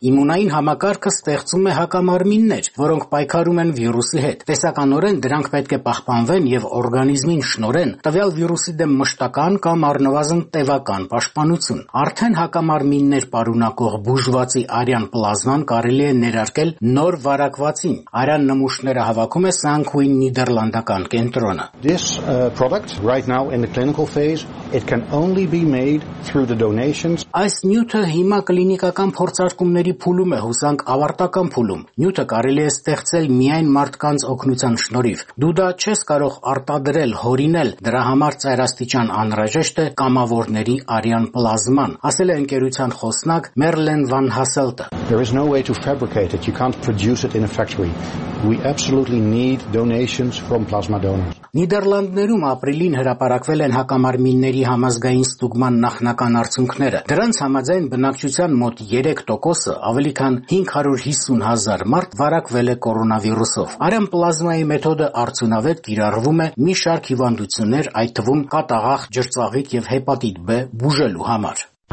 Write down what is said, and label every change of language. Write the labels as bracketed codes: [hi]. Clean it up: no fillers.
[hy] Իմունային համակարգը ստեղծում է հակամարմիններ, որոնք պայքարում են վիրուսի հետ։ Տեսականորեն դրանք պետք է պահպանվեն եւ օրգանիզմին շնորեն տվյալ վիրուսի դեմ մշտական կամ առնվազն տևական պաշտպանություն։ Արդեն հակամարմիններ պարունակող բուժվածի արյան պլազման կարելի է ներարկել նոր վարակվածին։ Արյան նմուշները հավաքում է Սանքուին Նիդերլանդական կենտրոնը։ [en] This product right now in the clinical phase, it can only be made through the donations. [hy] Այս նյութը հիմա կլինիկական փորձարկումների փուլում է, հուսանք ավարտական փուլում։ Նյութը կարելի է ստեղծել միայն մարդկանց օգնության շնորհիվ։ Դու դա չես կարող արտադրել, հորինել, դրա համար ծայրաստիճան անհրաժեշտ է կամավորների արյան պլազման, ասել է ընկերության խոսնակ Մերլեն Վան Հասելտը։ [en] There is no way to fabricate it. You can't produce it in a factory. We absolutely need donations from plasma donors. [hy] Նիդերլանդներում ապրիլին հրապարակվել են հակամարմինների համազգային ստուգման նախնական արդյունքները։ Դրանց համաձայն բնակչության մոտ 3%-ը, ավելի քան 550,000 մարդ վարակվել է կորոնավիրուսով։ Արյան պլազմայի մեթոդը արդյունավետ կիրառվում է մի շարք հիվանդություններ, այդ թվում կատաղախ, ջրծաղիկ և հեպատիտ B բուժելու համար։